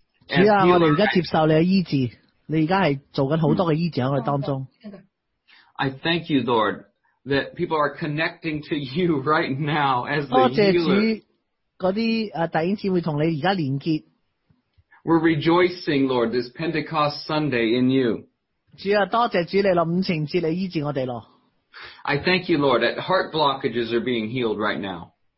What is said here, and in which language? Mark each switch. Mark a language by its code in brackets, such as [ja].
[en] I thank you, Lord, that people are connecting to you right now as the healer. We're rejoicing, Lord, this Pentecost Sunday in you. [yue] 主啊，多谢主你咯，五旬节你医治我哋咯。 [en] I thank you, Lord, that heart blockages are being healed right now.